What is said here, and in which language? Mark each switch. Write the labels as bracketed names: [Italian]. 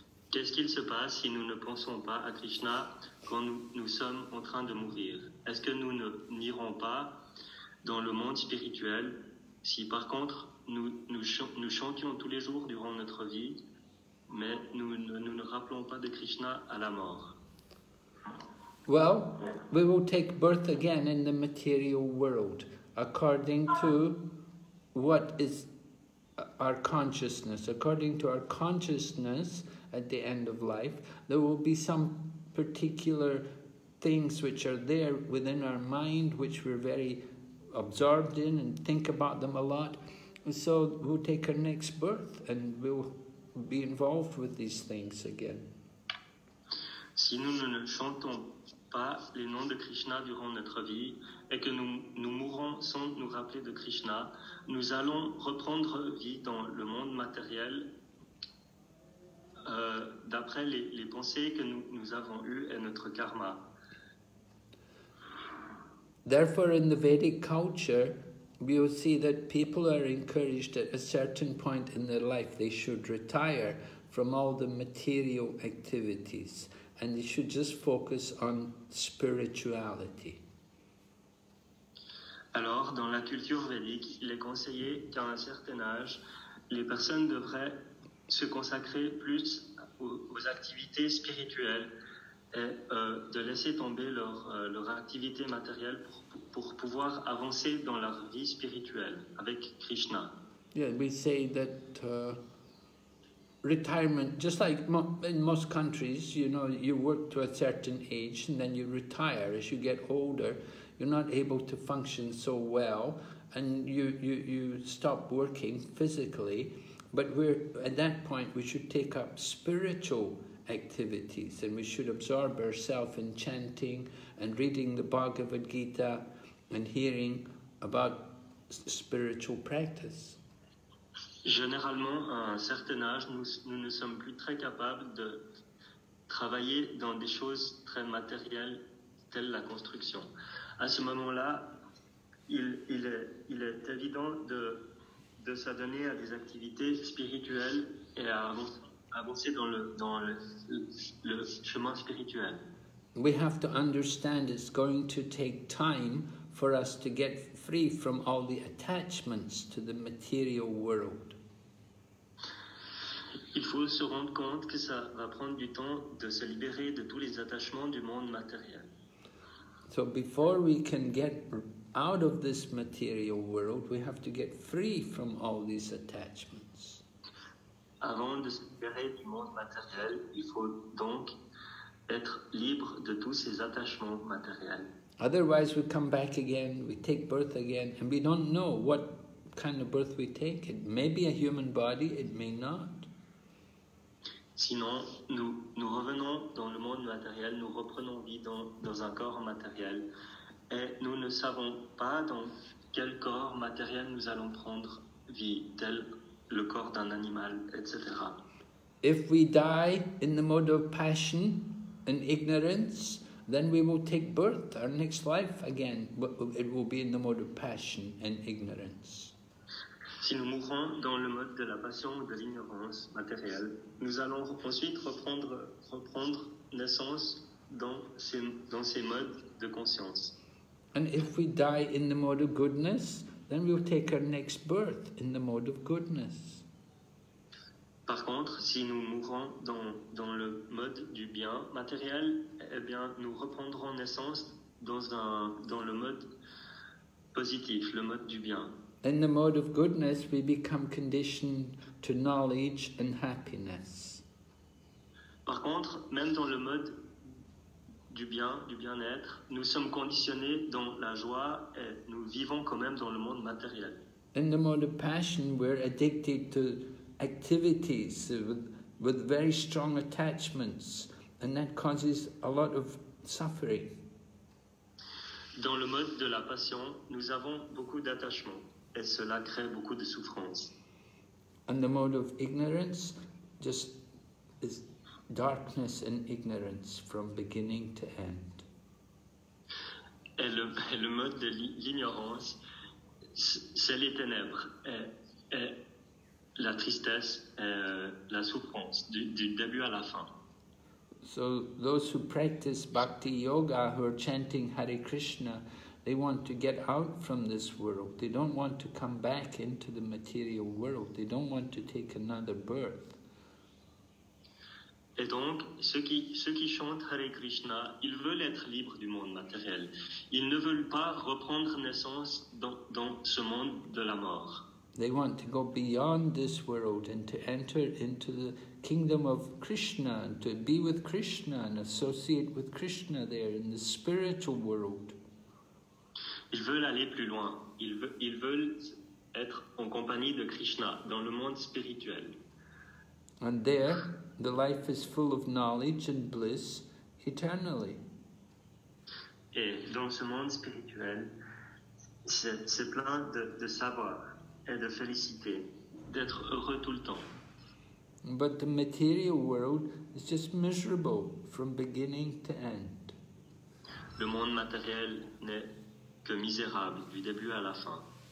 [French] Qu'est-ce qu'il se passe si nous ne pensons pas à Krishna quand nous sommes en train de mourir? Est-ce que nous n'irons pas dans le monde spirituel si par contre nous chantions tous les jours durant notre vie, mais nous ne rappelons pas de Krishna à la mort? [English] Well, we will take birth again in the material world according to what is our consciousness. According to our consciousness, at the end of life, there will be some particular things which are there within our mind, which we're very absorbed in and think about them a lot. And so we'll take our next birth and we'll be involved with these things again. [French] Si nous ne chantons pas les noms de Krishna durant notre vie et que nous mourons sans nous rappeler de Krishna, nous allons reprendre vie dans le monde matériel. D'après les pensées que nous avons eues et notre karma. [English] Therefore, in the Vedic culture, we will see that people are encouraged at a certain point in their life they should retire from all the material activities and they should just focus on spirituality. [French] Alors, dans la culture védique, il est conseillé qu'à un certain âge, les personnes devraient se consacrer plus aux activités spirituelles et de laisser tomber leur activité matérielle pour pouvoir avancer dans leur vie spirituelle avec Krishna. [English] Yeah, we say that retirement, just like in most countries, you know, you work to a certain age and then you retire. As you get older, you're not able to function so well and you stop working physically. But we're at that point, we should take up spiritual activities and we should absorb ourselves in chanting and reading the Bhagavad Gita and hearing about spiritual practice. [French] Généralement, à un certain âge, nous ne sommes plus très capables de travailler dans des choses très matérielles telles la construction. À ce moment-là, il est évident de s'adonner à des activités spirituelles et à avancer dans le chemin spirituel. [English] We have to understand it's going to take time for us to get free from all the attachments to the material world. [French] Il faut se rendre compte que ça va prendre du temps de se libérer de tous les attachements du monde matériel. [English] So before we can get out of this material world, we have to get free from all these attachments. [French] Avant de se libérer du monde matériel, il faut donc être libre de tous ces attachements matériels. [English] Otherwise, we come back again, we take birth again, and we don't know what kind of birth we take. It may be a human body, it may not. [French] Sinon, nous revenons dans le monde matériel, nous reprenons vie dans un corps matériel. Et nous ne savons pas dans quel corps matériel nous allons prendre vie, tel le corps d'un animal, etc. [English] If we die in the mode of passion and ignorance, then we will take birth, our next life again, but it will be in the mode of passion and ignorance. [French] Si nous mourons dans le mode de la passion ou de l'ignorance matérielle, nous allons ensuite reprendre naissance dans ces modes de conscience. [English] And if we die in the mode of goodness, then we'll take our next birth in the mode of goodness. [French] Par contre, si nous mourons dans le mode du bien matériel, eh bien, nous reprendrons naissance dans le mode positif, le mode du bien. [English] In the mode of goodness, we become conditioned to knowledge and happiness. [French] Par contre, même dans le mode du bien-être. Nous sommes conditionnés dans la joie et nous vivons quand même dans le monde matériel. [English] In the mode of passion, we're addicted to activities with very strong attachments, and that causes a lot of suffering. [French] Dans le mode de la passion, nous avons beaucoup d'attachements, et cela crée beaucoup de souffrance. [English] And the mode of ignorance just is darkness and ignorance from beginning to end. [French] Et le mode de l'ignorance, c'est les ténèbres et la tristesse et la souffrance du début à la fin. [English] So those who practice Bhakti Yoga, who are chanting Hare Krishna, they want to get out from this world. They don't want to come back into the material world. They don't want to take another birth. [French] Et donc, ceux qui chantent Hare Krishna, ils veulent être libres du monde matériel. Ils ne veulent pas reprendre naissance dans ce monde de la mort. [English] They want to go beyond this world and to enter into the kingdom of Krishna, and to be with Krishna and associate with Krishna there in the spiritual world. [French] Ils veulent aller plus loin. Ils veulent être en compagnie de Krishna dans le monde spirituel. [English] And there, the life is full of knowledge and bliss eternally. [French] Et dans ce monde spirituel, c'est plein de savoir et de félicité, d'être heureux tout le temps. [English] But the material world is just miserable from beginning to end. [French] Le monde matériel n'est que misérable du début à la fin.